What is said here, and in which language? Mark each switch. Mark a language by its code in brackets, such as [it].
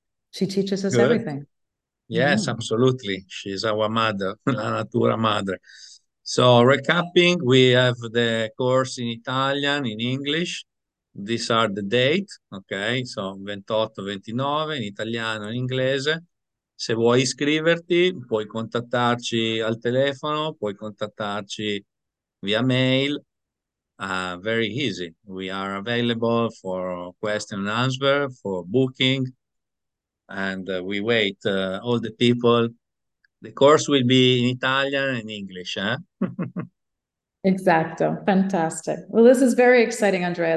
[en] She teaches us everything. Yes, absolutely. She's our mother, [it] la natura madre. [en] So recapping, we have the course in Italian, in English. These are the dates, okay? So 28, 29, [it] in Italiano, in Inglese. Se vuoi iscriverti, puoi contattarci al telefono, puoi contattarci via mail. [en] Very easy. We are available for question and answer, for booking, and we wait all the people. The course will be in Italian and English. Eh? Exacto. Fantastic. Well, this is very exciting, Andrea.